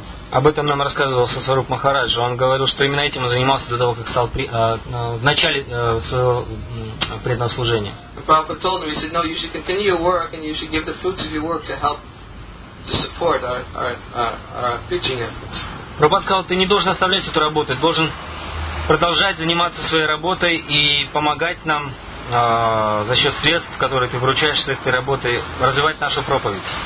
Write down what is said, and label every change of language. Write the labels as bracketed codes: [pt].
[ru] Об этом нам рассказывал Сасваруп Махараджа. Он говорил, что именно этим он занимался до того, как стал в начале своего преданного служения. [en] Prabhupada told him, he said, no, you should continue your work and you should give the fruits of your work to help to support our preaching efforts. [ru] Прабхупада сказал, ты не должен оставлять эту работу, ты должен продолжать заниматься своей работой и помогать нам за счет средств, которые ты вручаешь с этой работы, развивать нашу проповедь.